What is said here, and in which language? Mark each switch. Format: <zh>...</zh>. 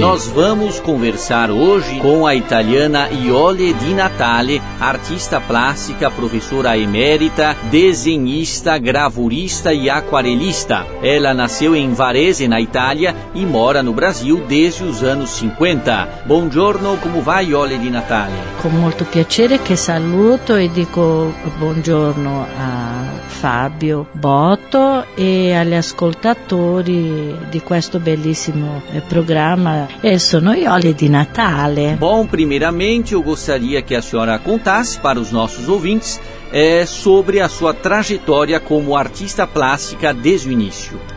<pt>Nós vamos conversar hoje com a italiana Iole Di Natale, artista plástica, professora emérita, desenhista, gravurista e aquarelista. Ela nasceu em Varese, na Itália, e mora no Brasil desde os anos 50. Bom giorno, como vai, Iole Di Natale? Com muito prazer que</pt> <it>saluto</it> <pt>e digo</pt> <it>bom giorno a Fabio Botto e agli ascoltatori di questo bellissimo programma. E sono Iole Di Natale.</it> <pt>Bom, primeiramente eu gostaria que a senhora contasse para os nossos ouvintes sobre a sua trajetória como artista plástica desde o início.</pt>